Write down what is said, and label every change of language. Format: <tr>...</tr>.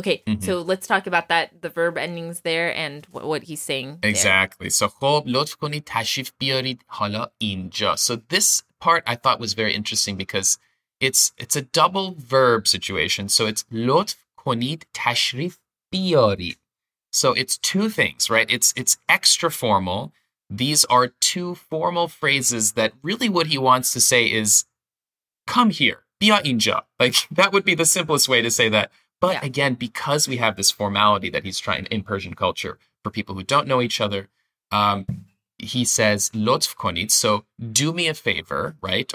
<en>Okay, so let's talk about that, the verb endings there and what he's saying. Exactly. There. So</en> <fa>خب لطف کنید تشریف بیارید حالا اینجا.</fa> <en>So this part I thought was very interesting because it's a double verb situation. So it's</en> <fa>لطف کنید تشریف بیارید.</fa> <en>So it's two things, right? It's extra formal. These are two formal phrases that really what he wants to say is come here,</en> <fa>بیا اینجا.</fa> <en>Like that would be the simplest way to say that. But again, because we have this formality that he's trying in Persian culture for people who don't know each other, he says,</en> <fa>لطف کنید,</fa> <en>so do me a favor, right?</en>